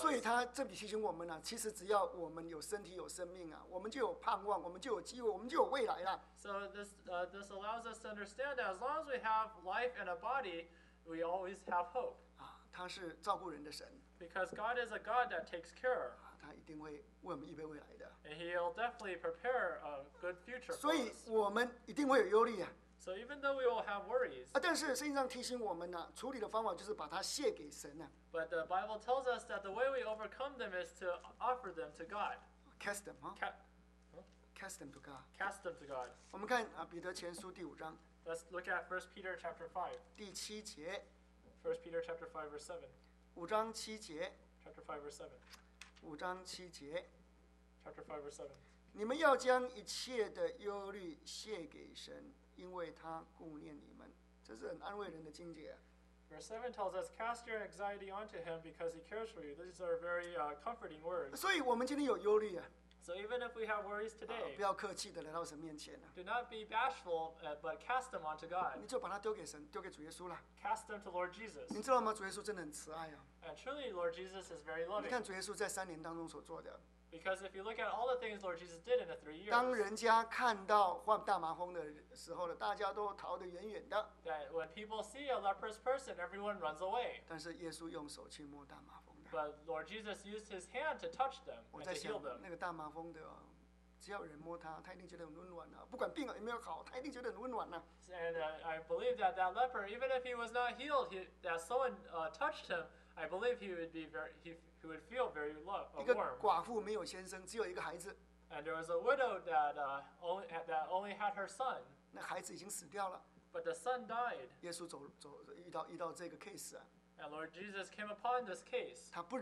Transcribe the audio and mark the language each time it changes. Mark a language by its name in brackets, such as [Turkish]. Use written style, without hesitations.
[Chinese] 所以他这里提醒我们呢、啊，其实只要我们有身体、有生命啊，我们就有盼望，我们就有机会，我们就有未来了。 [English] So this allows us to understand that as long as we have life and a body, we always have hope. [Chinese] 啊，他是照顾人的神。 [English] Because God is a God that takes care.、 [Chinese] 啊、他一定会为我们预备未来的。 [English] And He'll definitely prepare a good future. [Chinese] 所以我们一定会有忧虑啊。 [English] So even though we will have worries, [Chinese] 啊，但是圣经上提醒我们呢、啊，处理的方法就是把它卸给神呢、啊。 [English] But the Bible tells us that the way we overcome them is to offer them to God. Cast them, huh? Cast them to God. Cast them to God. [Chinese] 我们看啊，彼得前书第五章。 [English] Let's look at 1 Peter chapter 5. [Chinese] 第七节。 [English] First Peter chapter 5 verse 7. [Chinese] 五章七节。 [English] Chapter 5 verse 7. [Chinese] 五章七节。 [English] Chapter 5 verse 7. [Chinese] 你们要将一切的忧虑卸给神。因为他顾念你们，这是很安慰人的经节。 [English] Verse 7 tells us, "Cast your anxiety onto him because he cares for you." These are very comforting words. [Chinese] 所以我们今天有忧虑啊。 [English] So even if we have worries today, [Chinese] 不要客气的来到神面前啊。 [English] Do not be bashful, but cast them onto God. [Chinese] 你就把它丢给神，丢给主耶稣了。 [English] Cast them to Lord Jesus. [Chinese] 你知道吗？主耶稣真的很慈爱啊。 [English] And truly, Lord Jesus is very loving. [Chinese] 你看主耶稣在三年当中所做的。 [English] Because if you look at all the things Lord Jesus did in the 3 years, [Chinese] 当人家看到患大麻风的时候呢，大家都逃得远远的。 [English] That when people see a leprous person, everyone runs away. [Chinese] 但是耶稣用手去摸大麻风的。 [English] But Lord Jesus used his hand to touch them and to heal them. [Chinese] 那个大麻风的。只要人摸他，他一定觉得很温暖呐。不管病有没有好，他一定觉得很温暖呐。And [English] I believe that that leper, even if he was not healed, he that someone touched him, I believe he would be very, he would feel very warm. [Chinese] 一个寡妇没有先生，只有一个孩子。And [English] there was a widow that only had her son. [Chinese] 那孩子已经死掉了。But [English] the son died. [Chinese] 耶稣遇到这个 case。And [English] Lord Jesus came upon this case.